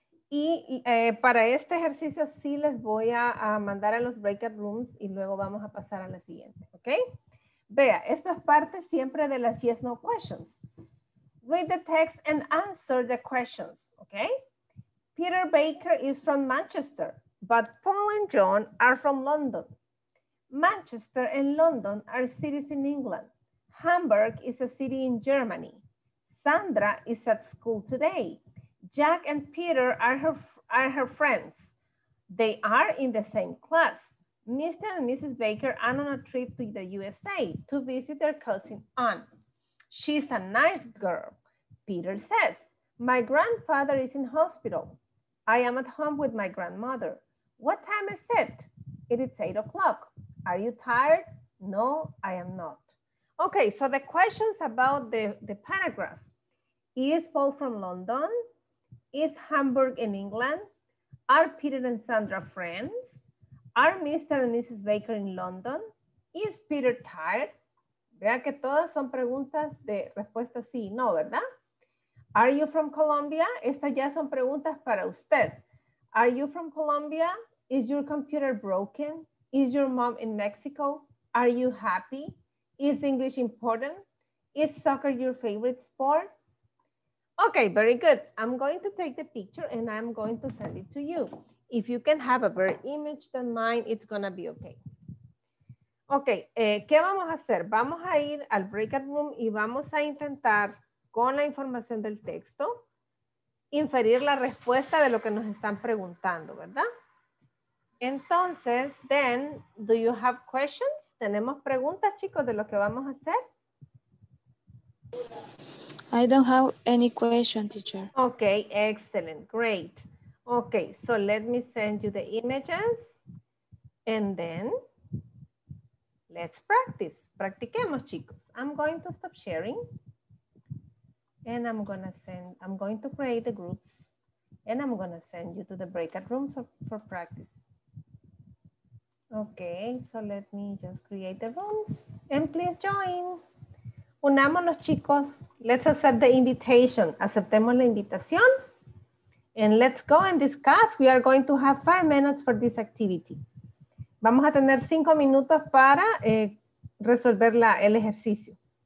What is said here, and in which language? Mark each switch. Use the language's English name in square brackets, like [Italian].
[Spanish] Y para este ejercicio sí les voy a mandar a los breakout rooms y luego vamos a pasar a la siguiente, ¿ok? Vea, esto es parte siempre de las [English] yes, no questions. Read the text and answer the questions, ¿ok? Peter Baker is from Manchester, but Paul and John are from London. Manchester and London are cities in England. Hamburg is a city in Germany. Sandra is at school today. Jack and Peter are her friends. They are in the same class. Mr. and Mrs. Baker are on a trip to the USA to visit their cousin Ann. She's a nice girl. Peter says, my grandfather is in hospital. I am at home with my grandmother. What time is it? It is 8 o'clock. Are you tired? No, I am not. Okay, so the questions about the paragraph. Is Paul from London? Is Hamburg in England? Are Peter and Sandra friends? Are Mr. and Mrs. Baker in London? Is Peter tired? [Spanish] Vea que todas son preguntas de respuesta sí y no, ¿verdad? [English] Are you from Colombia? [Spanish] Estas ya son preguntas para usted. [English] Are you from Colombia? Is your computer broken? Is your mom in Mexico? Are you happy? Is English important? Is soccer your favorite sport? Okay, very good. I'm going to take the picture and I'm going to send it to you. If you can have a better image than mine, it's gonna be okay. [Spanish] Okay, ¿qué vamos a hacer? Vamos a ir al breakout room y vamos a intentar con la información del texto inferir la respuesta de lo que nos están preguntando, ¿verdad? Entonces, [English] then, do you have questions? [Spanish] ¿Tenemos preguntas, chicos, de lo que vamos a hacer? [English] I don't have any question, teacher. Okay, excellent, great. Okay, so let me send you the images and then let's practice. [Spanish] Practiquemos, chicos. [English] I'm going to stop sharing and I'm going to create the groups and I'm going to send you to the breakout rooms for practice. Okay, so let me just create the rooms and please join. [Spanish] Unámonos, chicos. [English] Let's accept the invitation. [Spanish] Aceptemos la invitación. [English] And let's go and discuss. We are going to have 5 minutes for this activity. [Spanish] Vamos a tener 5 minutos para resolver el ejercicio.